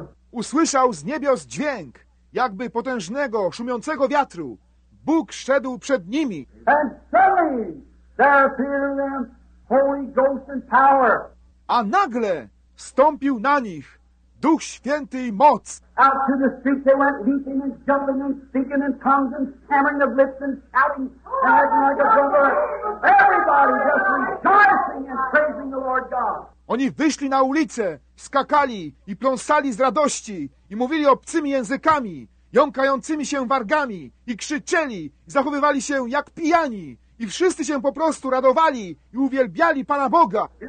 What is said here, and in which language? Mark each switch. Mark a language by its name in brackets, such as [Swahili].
[Polish] Usłyszał z niebios dźwięk, jakby potężnego, szumiącego wiatru. Bóg szedł przed nimi. [English] And suddenly there appeared them Holy Ghost and power. [Polish] A nagle wstąpił na nich Duch Święty i moc. [English] Out to the street they went leaping and jumping and speaking in tongues and stammering of lips and shouting and acting like a brother. Everybody just rejoicing and praising the Lord God. [Polish] Oni wyszli na ulicę, skakali i pląsali z radości i mówili obcymi językami, jąkającymi się wargami i krzyczeli, i zachowywali się jak pijani i wszyscy się po prostu radowali i uwielbiali Pana Boga.